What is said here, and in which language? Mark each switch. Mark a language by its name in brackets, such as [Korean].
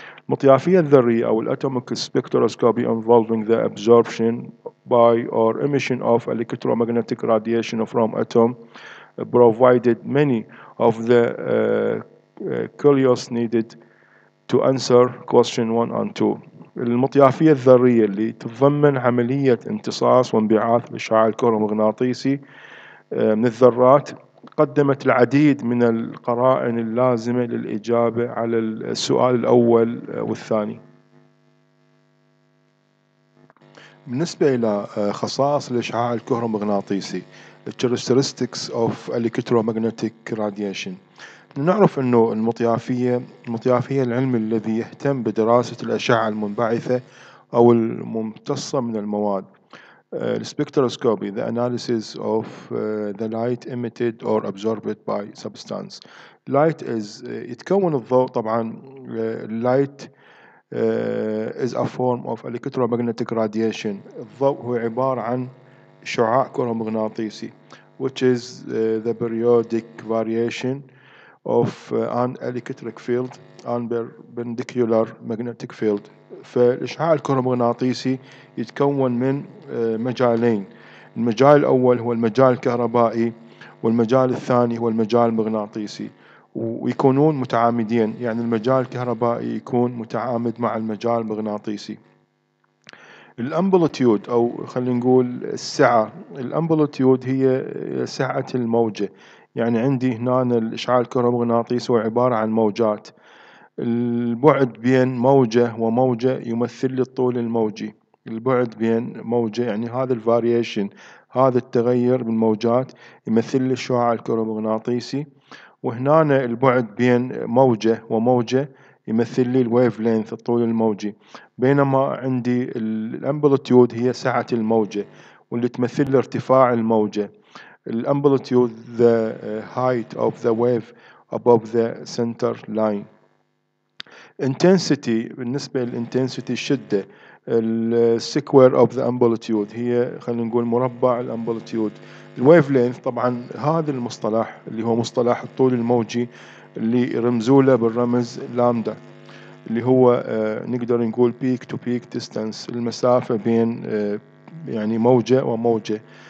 [Arabic] مطيافية الذرية أو [English] الأتوميك spectroscopy involving the absorption by or emission of electromagnetic radiation from atom provided many of the clues needed to answer question 1 and 2. [Arabic] المطيافية الذرية اللي تتضمن عملية امتصاص وانبعاث الإشعاع الكهرومغناطيسي من الذرات قدمت العديد من القرائن اللازمة للإجابة على السؤال الأول والثاني. بالنسبة إلى خصائص الإشعاع الكهرومغناطيسي [English] characteristics of electromagnetic radiation، [Arabic] نعرف أنه المطيافية العلم الذي يهتم بدراسة الأشعة المنبعثة أو الممتصة من المواد [English] spectroscopy the analysis of the light emitted or absorbed by substance. Light is [Arabic] يتكون الضوء طبعا [English] light is a form of electromagnetic radiation. [Arabic] الضوء هو عبارة عن شعاع كهرومغناطيسي [English] which is the periodic variation of an electric field and perpendicular magnetic field. [Arabic] فالإشعاع الكهرومغناطيسي يتكون من مجالين، المجال الأول هو المجال الكهربائي والمجال الثاني هو المجال المغناطيسي، ويكونون متعامدين، يعني المجال الكهربائي يكون متعامد مع المجال المغناطيسي. الأمبلوتيود أو خلينا نقول السعة، الأمبلوتيود هي سعة الموجة، يعني عندي هنا الإشعاع الكهرومغناطيسي هو عبارة عن موجات، البعد بين موجة وموجة يمثل لي الطول الموجي، البعد بين موجة يعني هذا الفاريشن، هذا التغير بالموجات يمثل لي الشعاع الكهرومغناطيسي، وهنا البعد بين موجة وموجة يمثل لي الويف لينث الطول الموجي، بينما عندي الامبلتيود هي سعة الموجة واللي تمثل لي ارتفاع الموجة. [English] الامبلتيود the height of the wave above the center line. [Arabic] Intensity بالنسبة للإنتنسيتي الشدة السكوير [English] of the amplitude [Arabic] هي خلينا نقول مربع الامبلتيود. الويف لينث طبعا هذا المصطلح اللي هو مصطلح الطول الموجي اللي رمزوا له بالرمز لامدا اللي هو نقدر نقول بيك تو بيك ديستانس المسافة بين يعني موجة وموجة.